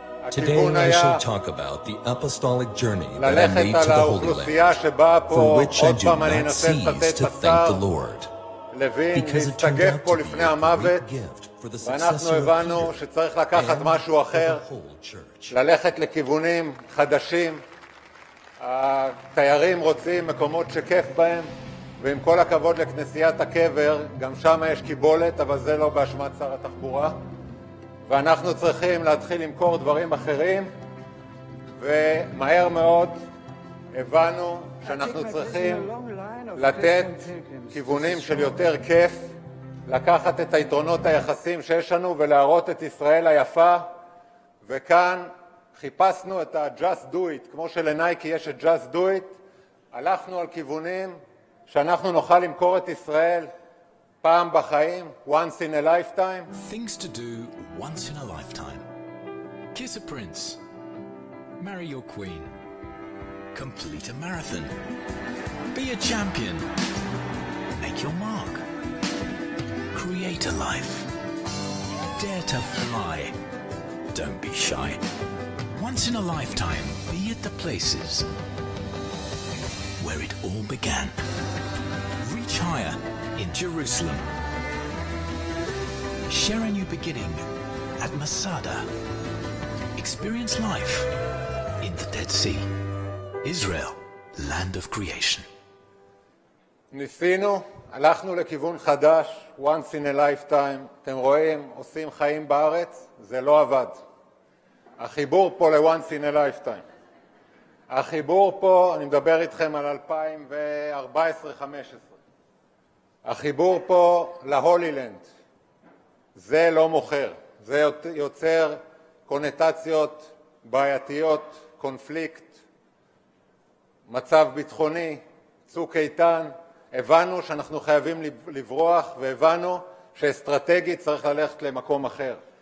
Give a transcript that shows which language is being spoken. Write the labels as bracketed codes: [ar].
[en] Today I shall talk about the apostolic journey that I made to the Holy Land, for which I do not cease to thank the Lord, because it turned out to be a great gift for the successor of Peter and for the whole church. [he] ללכת לכיוונים חדשים, התיירים רוצים מקומות שכיף בהם, ועם כל הכבוד לכנסיית הקבר, גם שם יש קיבולת, אבל זה לא באשמת שר התחבורה. ואנחנו צריכים להתחיל למכור דברים אחרים, ומהר מאוד הבנו שאנחנו צריכים לתת כיוונים של יותר כיף, לקחת את היתרונות היחסים שיש לנו ולהראות את ישראל היפה, וכאן חיפשנו את ה-Just Do It, כמו שלנייקי יש את Just Do It, הלכנו על כיוונים שאנחנו נוכל למכור את ישראל פעם בחיים, [en] once in a lifetime. Things to do once in a lifetime. Kiss a prince. Marry your queen. Complete a marathon. Be a champion. Make your mark. Create a life. Dare to fly. Don't be shy. Once in a lifetime, be at the places where it all began. Reach higher in Jerusalem. Share a new beginning at Masada. Experience life in the Dead Sea. Israel, land of creation. [he] ניסינו, הלכנו לכיוון חדש, [en] once in a lifetime. [he] אתם רואים, עושים חיים בארץ, זה לא עבד. החיבור פה ל- [en] once in a lifetime. [he] החיבור פה, אני מדבר איתכם על 2014-15, החיבור פה להולילנד, זה לא מוכר, זה יוצר קונוטציות בעייתיות, קונפליקט, מצב ביטחוני, צוק איתן, הבנו שאנחנו חייבים לברוח והבנו שאסטרטגית צריך ללכת למקום אחר.